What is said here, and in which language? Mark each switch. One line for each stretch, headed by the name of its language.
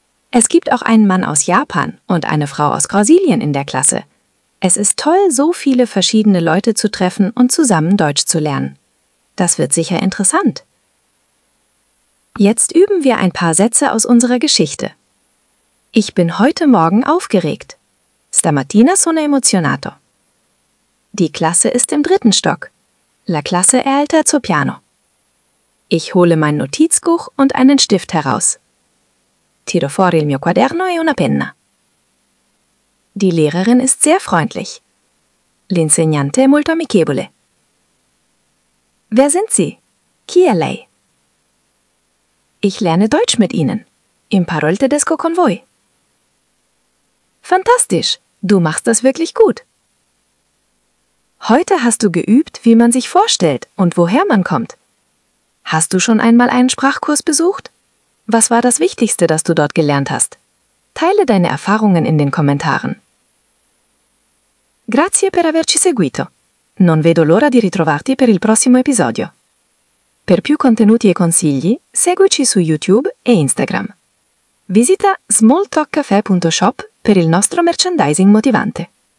German: Es gibt auch einen Mann aus Japan und eine Frau aus Brasilien in der Klasse. Es ist toll, so viele verschiedene Leute zu treffen und zusammen Deutsch zu lernen. Das wird sicher interessant. Jetzt üben wir ein paar Sätze aus unserer Geschichte. Ich bin heute Morgen aufgeregt.
Italian: Stamattina sono emozionato.
German: Die Klasse ist im dritten Stock.
Italian: La classe è al terzo piano.
German: Ich hole mein Notizbuch und einen Stift heraus.
Italian: Tiro fuori il mio quaderno e una penna.
German: Die Lehrerin ist sehr freundlich.
Italian: L'insegnante è molto amichevole.
German: Wer sind Sie?
Italian: Chi è lei?
German: Ich lerne Deutsch mit Ihnen.
Italian: Imparo il tedesco con voi.
German: Fantastisch! Du machst das wirklich gut. Heute hast du geübt, wie man sich vorstellt und woher man kommt. Hast du schon einmal einen Sprachkurs besucht? Was war das Wichtigste, das du dort gelernt hast? Teile deine Erfahrungen in den Kommentaren.
Italian: Grazie per averci seguito. Non vedo l'ora di ritrovarti per il prossimo episodio. Per più contenuti e consigli, seguici su YouTube e Instagram. Visita smalltalkcaffè.shop per il nostro merchandising motivante.